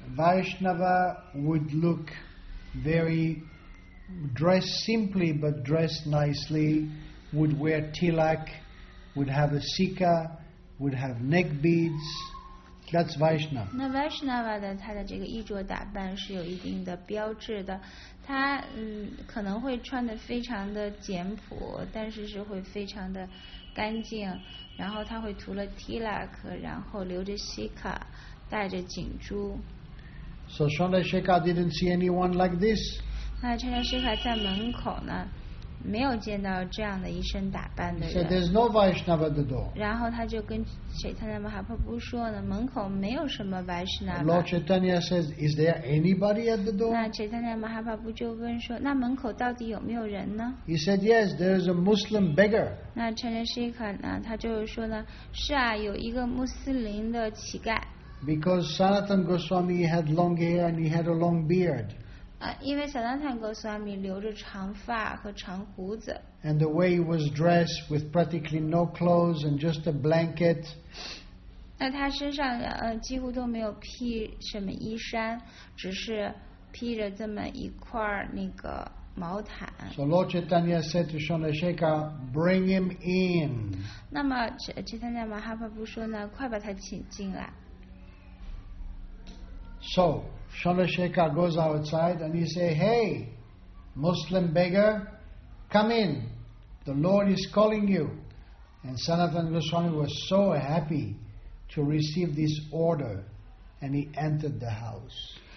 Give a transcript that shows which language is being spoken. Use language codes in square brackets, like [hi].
[en] Vaishnava would look very dressed simply but dressed nicely, would wear tilak, would have a sika, would have neck beads. That's Vaishnava. [zh] 那 Vaishnava 的他的这个衣着打扮是有一定的标志的，他可能会穿得非常的简朴，但是是会非常的干净，然后他会涂了 tilak, 然后留着 sika, 戴着锦珠。 [en] So Chandra Shekhar didn't see anyone like this. [zh] 那 Chandra Shekhar 在门口呢，没有见到这样的一身打扮的人。 [en] He said there's no Vaishnava at the door. [zh] 然后他就跟 Chaitanya Mahaprabhu 说呢，门口没有什么 Vaishnava。 [en] Lord Chaitanya says, is there anybody at the door? [zh] 那 Chaitanya Mahaprabhu 就问说，那门口到底有没有人呢？ [en] He said, yes, there is a Muslim beggar. [zh] 那 Chandra Shekhar 呢，他就说呢，是啊，有一个穆斯林的乞丐。 [en] Because Sanatan Goswami had long hair and he had a long beard. [zh] 因为 Sanatan Goswami 留着长发和长胡子。 [en] And the way he was dressed with practically no clothes and just a blanket. [zh] 那他身上几乎都没有披什么衣衫，只是披着这么一块那个毛毯。 [en] So Lord Chaitanya said to Chandra Shekhar, bring him in. [zh] 那么 Chaitanya Mahaprabhu 说呢，快把他请进来。 [en] So Chandra Shekhar goes outside and he says, hey, Muslim beggar, come in. The Lord is calling you. And Sanatana Goswami was so happy to receive this order and he entered the house.